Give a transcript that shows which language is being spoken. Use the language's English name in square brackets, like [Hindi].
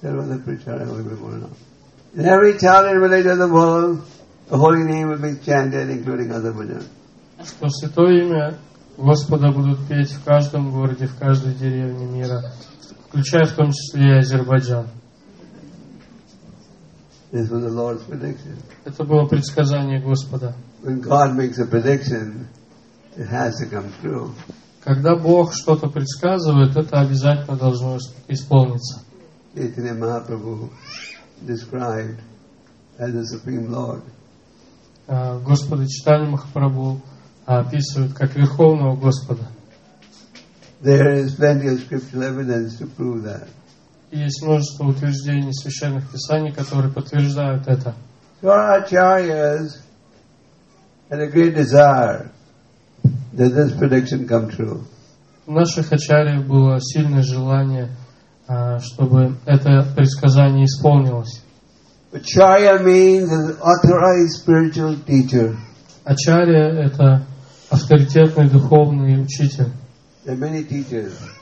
[English] In every town and village of the world, the holy name will be chanted, including other bhajan. [Russian] Что святое имя Господа будут петь в каждом городе, в каждой деревне мира, включая в том числе и Азербайджан. [English] This was the Lord's prediction. [Russian] Это было предсказание Господа. [English] When God makes a prediction, it has to come true. [Russian] Когда Бог что-то предсказывает, это обязательно должно исполниться. [English] Chaitanya Mahaprabhu described as the Supreme Lord. [Russian] Господа Чайтанья Махапрабху описывают как Верховного Господа. [English] There is plenty of scriptural evidence to prove that. [Russian] Есть множество утверждений священных писаний, которые подтверждают это. [English] So our acharyas had a great desire that this prediction come true. [Russian] У наших ачарьев было сильное желание, чтобы это предсказание исполнилось. [English] Acharya means an authorized spiritual teacher. [Russian] Ачарья — это авторитетный духовный учитель. [English] There are many teachers.